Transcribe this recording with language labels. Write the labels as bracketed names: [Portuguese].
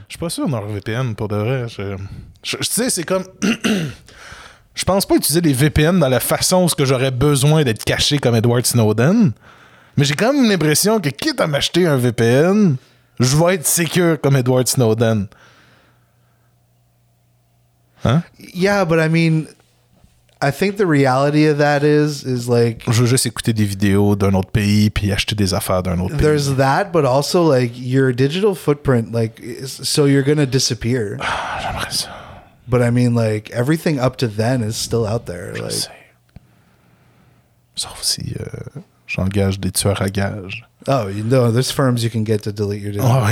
[French] Je suis pas sûr NordVPN, pour de vrai. Tu sais, c'est comme... Je pense pas utiliser les VPN dans la façon où j'aurais besoin d'être caché comme Edward Snowden, mais j'ai quand même l'impression que quitte à m'acheter un VPN, je vais être secure comme Edward Snowden. Hein? [English] Yeah, but I mean, I think the reality of that is like... [French] Je veux juste écouter des vidéos d'un autre pays puis acheter des affaires d'un autre pays. [English] There's that, but also like your digital footprint, like, so you're gonna disappear. [French] Ah, j'aimerais ça. [English] But I mean, like, everything up to then is still out there. [French] Je like. Sais. Sauf si j'engage des tueurs à gages. [English] Oh, you know, there's firms you can get to delete your digital footprint.